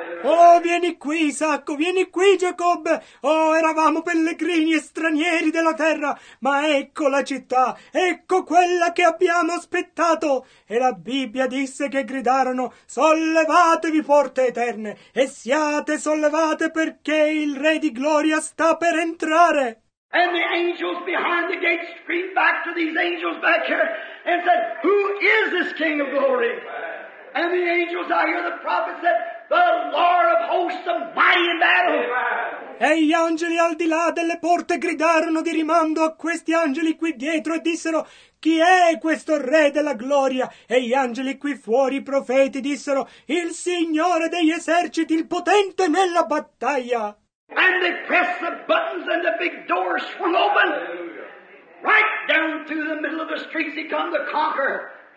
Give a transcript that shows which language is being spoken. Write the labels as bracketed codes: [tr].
[it] Oh, vieni qui, Isacco, vieni qui, Jacob. Oh, eravamo pellegrini e stranieri della terra, ma ecco la città, ecco quella che abbiamo aspettato. E la Bibbia disse che gridarono, sollevatevi, porte eterne, e siate sollevate, perché il Re di Gloria sta per entrare. [en] And the angels behind the gate screamed back to these angels back here and said, who is this King of Glory? And the angels, I hear the prophet said, the Lord of hosts, the mighty in battle. [it] E gli angeli al di là delle porte gridarono di rimando a questi angeli qui dietro e dissero, chi è questo re della gloria? E gli angeli qui fuori, i profeti, dissero, il Signore degli eserciti, il potente nella battaglia. [en] And they pressed the buttons and the big doors swung open. Hallelujah. Right down through the middle of the streets he come, the conqueror.